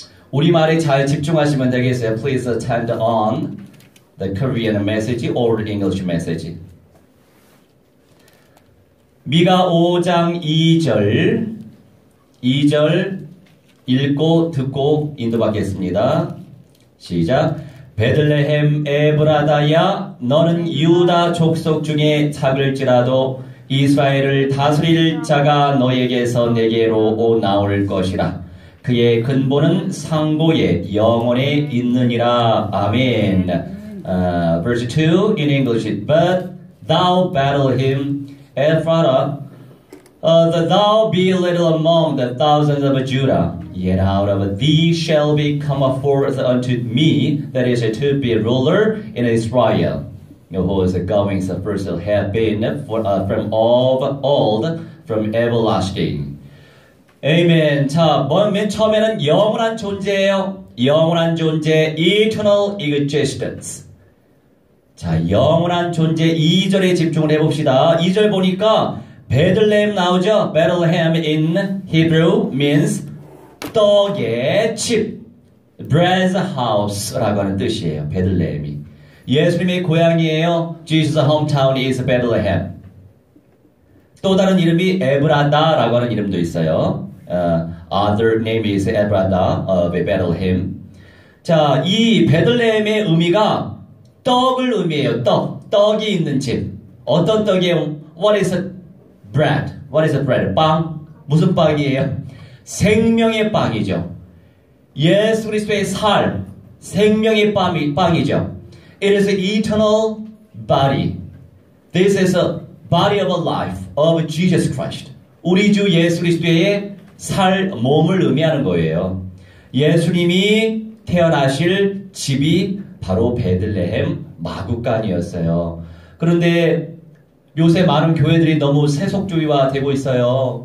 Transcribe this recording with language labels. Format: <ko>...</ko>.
<ko>우리 말에 잘 집중하시면 되겠어요.</ko> <en>Please attend on the Korean message or English message.</en> <ko>미가 5장 2절, 2절 읽고 듣고 인도받겠습니다. 시작. 베들레헴 에브라다야, 너는 유다 족속 중에 작을지라도 이스라엘을 다스릴 자가 너에게서 내게로 나올 것이라. 그의 근본은 상고에 영원히 있느니라.</ko> <en>아멘. Verse 2 in English. But thou Bethlehem Ephratah, that thou be little among the thousands of Judah, yet out of thee shall be come forth unto me, that is to be ruler in Israel, whose goings first have been from of old, from everlasting. Amen.</en> <ko>자, 맨 처음에는 영원한 존재예요. 영원한 존재,</ko> <en>eternal existence.</en> <ko>자, 영원한 존재 2절에 집중을 해봅시다. 2절 보니까 베들레헴 나오죠?</ko> <en>Bethlehem in Hebrew means</en> <ko>떡의 집,</ko> <en>bread's house라고</en> <ko>하는 뜻이에요. 베들레헴이 예수님의 고향이에요.</ko> <en>Jesus' hometown is Bethlehem.</en> <ko>또 다른 이름이 에브라다라고 하는 이름도 있어요.</ko> <en>Other name is Ephratah of Bethlehem.</en> <ko>자, 이 베들레헴의 의미가 떡을 의미해요. 떡. 떡이 있는 집. 어떤 떡이에요?</ko> <en>What is a bread?</en> <ko>What is a bread? 빵. 무슨 빵이에요? 생명의 빵이죠. 예수 그리스도의 살. 생명의 빵이죠.</ko> <en>It is eternal body. This is a body of a life of Jesus Christ.</en> <ko>우리 주 예수 그리스도의 살 몸을 의미하는 거예요. 예수님이 태어나실 집이 바로 베들레헴 마구간이었어요. 그런데 요새 많은 교회들이 너무 세속주의화 되고 있어요.</ko>